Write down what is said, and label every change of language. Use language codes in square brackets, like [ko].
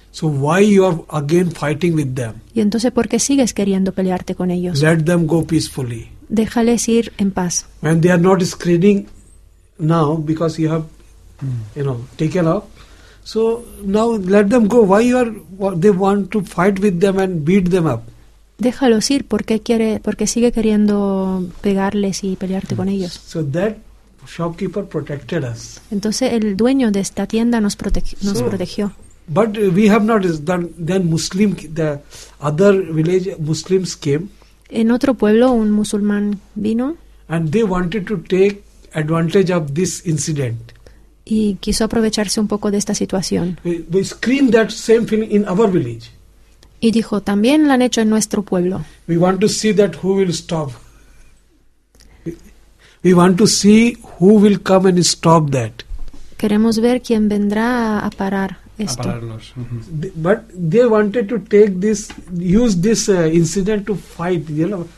[en] So why you are again fighting with them? [es] Y entonces, ¿por qué sigues queriendo pelearte con ellos? [en] Let them go peacefully. [es] Déjales ir en paz. [en] When they are not screening now because you have taken off, so now let them go. Why you are, they want to fight with them and beat them up? [es] Déjalos ir porque quiere, porque sigue queriendo pegarles y pelearte con ellos. [en] So that shopkeeper protected us. [es] Entonces el dueño de esta tienda nos protegió. [en] But we have not done, then Muslim, the other village Muslims came. [es] En otro pueblo un musulmán vino. [en] And they wanted to take advantage of this incident. [es] Y quiso aprovecharse un poco de esta situación. [en] We screened that same film in our village. [es] Y dijo, también lo han hecho en nuestro pueblo. [en] We want to see that who will stop. We want to see who will come and stop that. [es] Queremos ver quién vendrá a parar esto. A pararlos. [en] But they wanted to take this, use this incident to fight, you know,